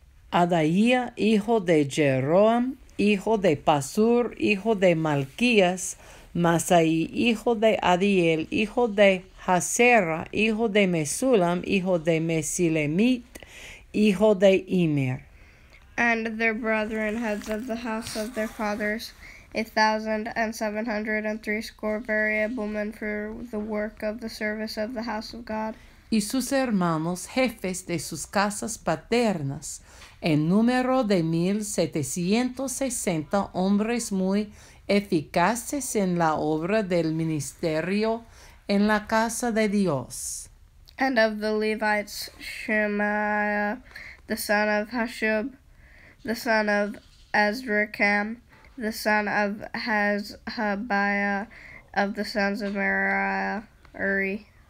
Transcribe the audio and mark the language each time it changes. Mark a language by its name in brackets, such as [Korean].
[Spanish] Adaía, hijo de Jeroam, hijo de Pasur, hijo de Malquías, Masaí, hijo de Adiel, hijo de Hasera, hijo de Mesulam, hijo de Mesilemit, hijo de Imer. [English] and their brethren, heads of the house of their fathers, 1,703 variable men for the work of the service of the house of God. [Spanish] Y sus hermanos, jefes de sus casas paternas, en número de 1,760 hombres muy eficaces en la obra del ministerio en la casa de Dios. [English] And of the Levites, Shema, the son of Hashub, the son of Ezrakam, the son of Hashabiah, of the sons of Merari.